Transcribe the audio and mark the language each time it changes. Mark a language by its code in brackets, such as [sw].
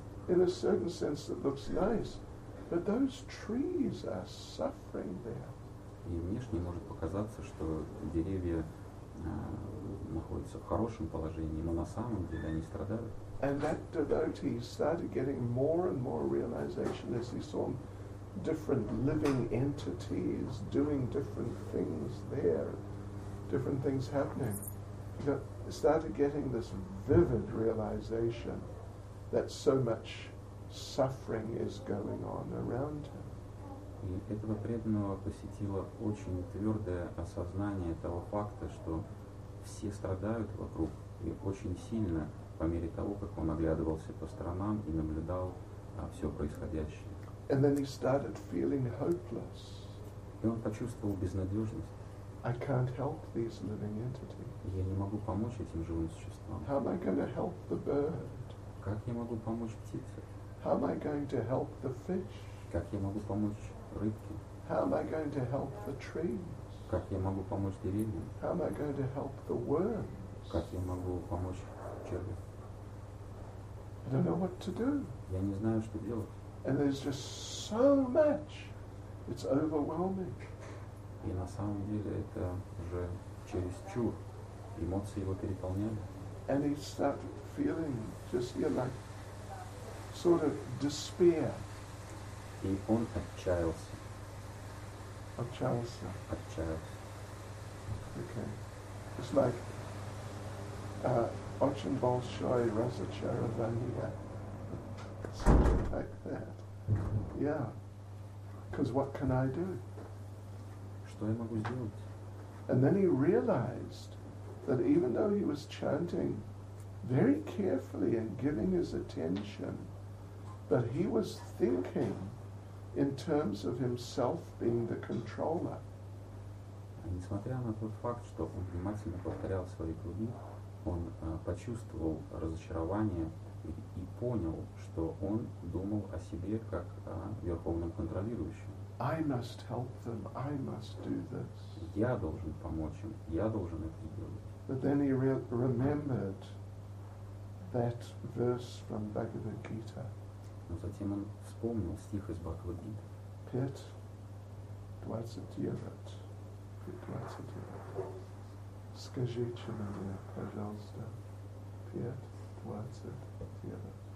[en] in a certain sense that looks nice, but those trees are suffering there. [ru] И внешне может показаться, что деревья находятся в хорошем положении, но на самом деле они страдают. [en] And that devotee started getting more and more realization as he saw different living entities doing different things there, different things happening. He started getting this vivid realization that so much suffering is going on around him. [ru] И этого преданного посетило очень твердое осознание того факта, что все страдают вокруг, и очень сильно, по мере того, как он оглядывался по сторонам и наблюдал все происходящее. [en] And then he started feeling hopeless. [ru] И он почувствовал безнадежность. [en] I can't help these living entities. [ru] Я не могу помочь этим живым существам. [en] How am I going to help the bird? [ru] Как я могу помочь птице? [en] How am I going to help the fish? [ru] Как я могу помочь рыбки? [en] How am I going to help the trees? [ru] Как я могу помочь деревьям? [en] How am I going to help the worms? [ru] Как я могу помочь червям? [en] I don't know what to do. [ru] Я не знаю, что делать. [en] And there's just so much. It's overwhelming. [ru] И на самом деле это уже чересчур. Эмоции его переполняли. [en] And he started feeling just, you know, like sort of despair. [ru] И он отчаялся. Отчаялся. Отчаялся. [en] Okay. It's like [ru] очень большой разочарование. [en] Something like that. Yeah. Because what can I do? [ru] Что я могу сделать? [en] And then he realized that even though he was chanting very carefully and giving his attention, but he was thinking in terms of himself being the controller. [ru] Несмотря на тот факт, что он внимательно повторял свои круги, он почувствовал разочарование и понял, что он думал о себе как о верховном контролирующем. [en] I must help them. I must do this. [ru] Я должен помочь им. Я должен это сделать. [en] But then he remembered that verse from Bhagavad Gita. [ru] Но затем он вспомнил стих из Бхагавад-гиты. Пет двадцатьевят. Пет двадцатьевят. Скажите мне, пожалуйста, пет двадцатьевят.